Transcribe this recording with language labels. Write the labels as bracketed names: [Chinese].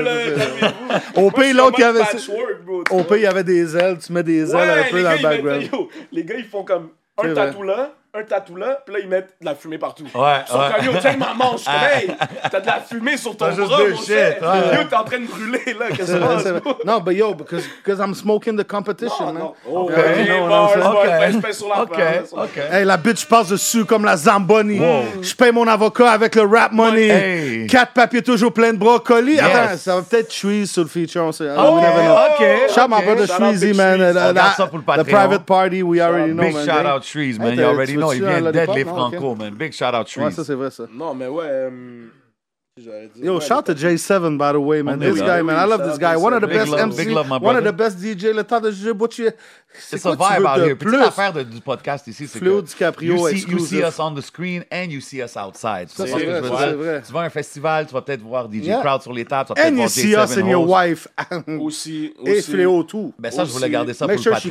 [French] là! Calmez-vous! Au pays, l'autre, il y avait des ailes, tu mets des ailes un peu dans le background. Les gars, ils font comme un tatou là, puis là, ils mettent de la fumée partout. Ouais. Sur le camion, tiens, ma manche, hey! T'as de la fumée sur ton bras, mon chien! Yo, t'es en train de brûler, là! Qu'est-ce que c'est? Non, [English] but yo, because I'm smoking the competition, man. [French] Ok, bars, je paye sur la place. Ok. Hey, la bitch passe dessus comme la Zamboni. Je paye mon avocat avec le rap money. 4 papiers toujours pleins de brocolis. Attends, ça va peut-être Shweezy sur le feature. Ok. [English] Shout out my brother Shweezy, man. The private party, we already know, man. Big shout out Shweezy, man. Il already know, [French] il vient d'être les Franco, [English] man. Big shout out Shweezy. [French] Ouais, ça, c'est vrai, ça. Non, mais ouais. [English] Dire, yo, shout to J7, by the way, man. This guy, man. I love this guy. One of the best MC. Big love, my brother. One of the best DJ. [French] Le temps de juger, [English] Butcher. [French] C'est quoi, [English] vibe out here. [French] Plus l'affaire du podcast ici, c'est Fleur DiCaprio, [English] you see us on the screen and you see us outside. [French] Ça, c'est vrai, c'est vrai. Tu vas à un festival, tu vas peut-être voir DJ Crowd sur les tables. [English] And you see us and your wife. [French] Aussi. Et Fleur tout. Ben ça, je voulais garder ça pour le Patreon.